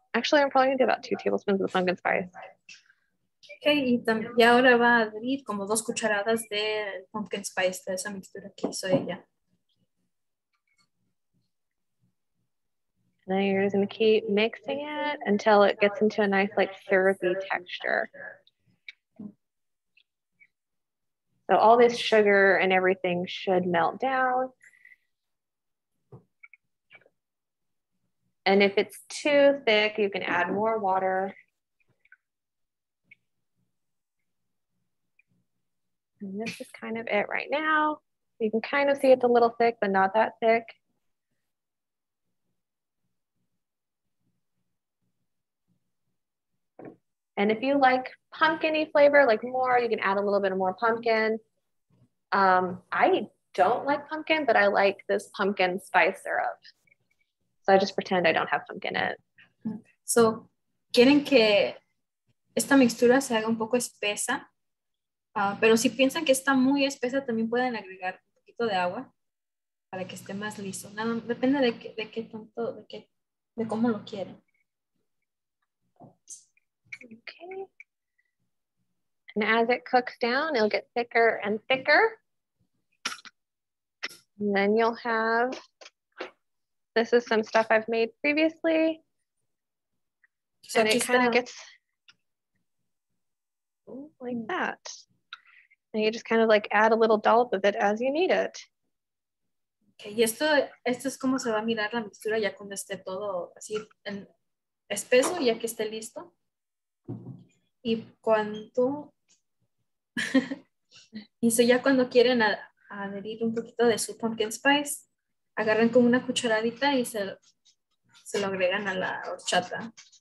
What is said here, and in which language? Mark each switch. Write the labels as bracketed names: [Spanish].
[English] Actually, I'm probably going to do about 2 tablespoons of pumpkin spice. [Spanish] Okay, y también, ya ahora va a adherir como 2 cucharadas de pumpkin spice, de esa mixtura que hizo ella. [English] And then you're just going to keep mixing it until it gets into a nice, like, syrupy texture. So all this sugar and everything should melt down. And if it's too thick, you can add more water. And this is kind of it right now. You can kind of see it's a little thick, but not that thick. And if you like pumpkin-y flavor, like more, you can add a little bit more pumpkin. I don't like pumpkin, but I like this pumpkin spice syrup. So I just pretend I don't have pumpkin in it. [Spanish] So, ¿quieren que esta mixtura se haga un poco espesa? Pero si piensan que está muy espesa, también pueden agregar un poquito de agua para que esté más liso. Nada, depende de cómo lo quieren. [English] Okay, and as it cooks down, it'll get thicker and thicker. And then you'll have, this is some stuff I've made previously. So and it kind of gets like that. And you just kind of like add a little dollop of it as you need it. [Spanish] Okay, y esto es como se va a mirar la mixtura ya cuando esté todo así en espeso, ya que esté listo. Y cuánto Y so ya cuando quieren añadir un poquito de su pumpkin spice, agarran como una cucharadita y se lo agregan a la horchata.